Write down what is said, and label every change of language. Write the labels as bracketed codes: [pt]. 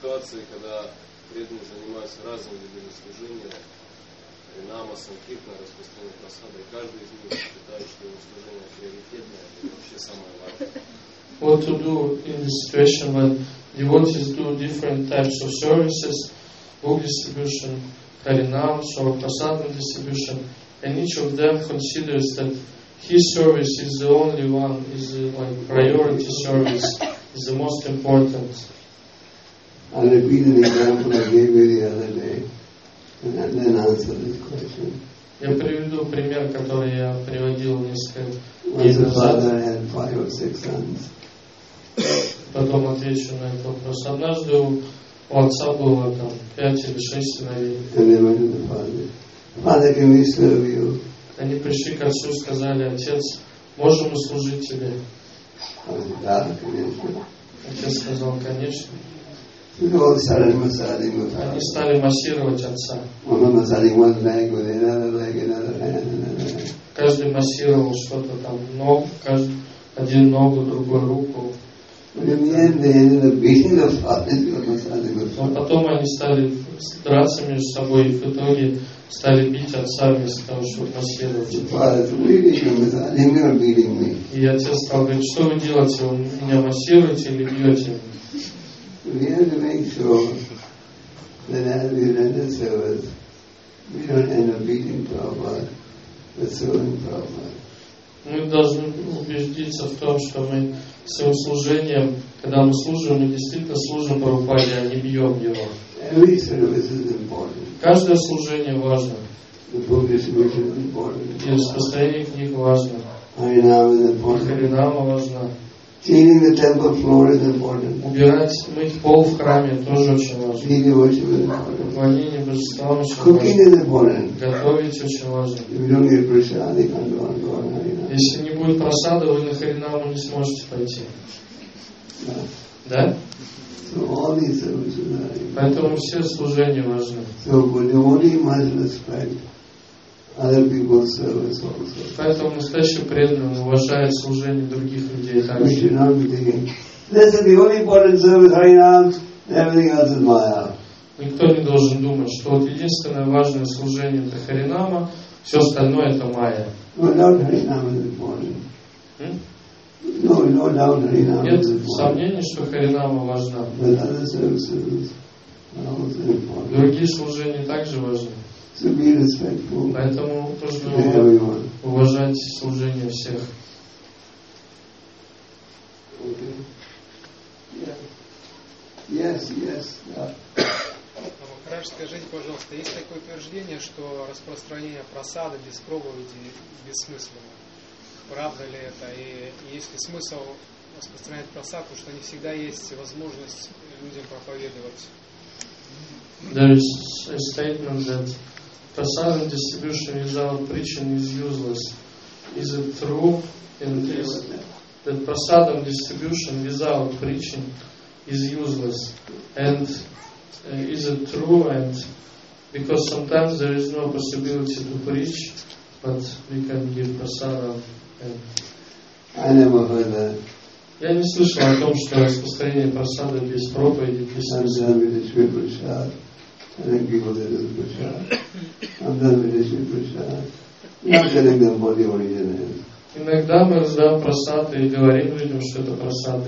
[ru] Когда преданные занимаются разными видами служения, ринама, санкитна, распространение просады, и каждый из них считает, что его служение приоритетное и вообще самое важное. [en] What to do in the situation when devotees do different types of services, book distribution, haranams or prasadam distribution, and each of them considers that his service is the only one, is the, like priority service, is the most important. I repeat an example I gave you the other day, and then answer this question. [ru] Я приведу пример, который я приводил несколько дней назад. [en] Once a father had five or six sons. [ru] Потом отвечу на этот вопрос. Однажды у отца было там пять или шесть сыновей. [en] And they went to the father. Father, can we serve you? [ru] Они пришли к отцу и сказали: «Отец, можем мы служить тебе?» Да, конечно. Отец сказал: «Конечно». Они стали массировать отца. Каждый массировал что-то там, ногу, каждый, один ногу, другую руку. Но потом они стали драться между собой, и в итоге стали бить отца вместо того, чтобы массировать. И отец стал говорить: «Что вы делаете, вы меня массируете или бьете?» [en] We have to make sure that as we render service, we don't end up beating Prabhupada, but serving Prabhupada. [ru] Мы должны убедиться в том, что мы своим служением, когда мы служим, мы действительно служим Прабхупаде, а не бьем его. [en] Every service is important. [ru] Каждое служение важно. [en] The book is important. [ru] И распространение книг важно. [en] Харинама is important. [ru] Харинама важна. [en] Cleaning the temple floor is important. [ru] Убирать, мыть пол в храме тоже очень важно. [en] Cleaning worship is important. [ru] Поклонение божествам очень важно. [en] Cooking is important. [ru] Готовить очень важно. [en] If you don't get prasad, you can't go on to Harinama. [ru] Если не будет просада, вы на Харинаму не сможете пойти. Да? [en] So all these services are important. [ru] Поэтому все служения важны. [en] So for devotee must respect other people's service also. [ru] Поэтому настоящий преданный уважает служение других людей также. [en] We should not be thinking, this is the only important service Harinama, everything else is Maya. [ru] Никто не должен думать, что вот единственное важное служение это Харинама, все остальное это Майя. [en] No doubt Harinama is important. No, no doubt Harinama is important. [ru] Нет сомнений, что Харинама важна. [en] But other services are also important. [ru] Другие служения также важны. [en] To be respectful. [ru] Поэтому нужно уважать служение всех. [en] Okay. Yeah. Yes, yes. [ru] Махарадж, скажите, пожалуйста, есть такое утверждение, что распространение просады без проповеди бессмысленно? Правда ли это? И есть ли смысл распространять просаду, потому что не всегда есть возможность людям проповедовать? [en] There is a statement that prasad and distribution without preaching is useless. Is it true? And is that prasad and distribution without preaching is useless? And is it true? And because sometimes there is no possibility to preach, but we can give prasad. And I never heard that. [ru] Я не слышал о том, что распространение прасада без проповеди бессмысленно. [en] I think people that do prasad. I've done medicine prasad. Not telling them what the origin is. [ru] Иногда мы раздаем прасад и говорим людям, что это прасад.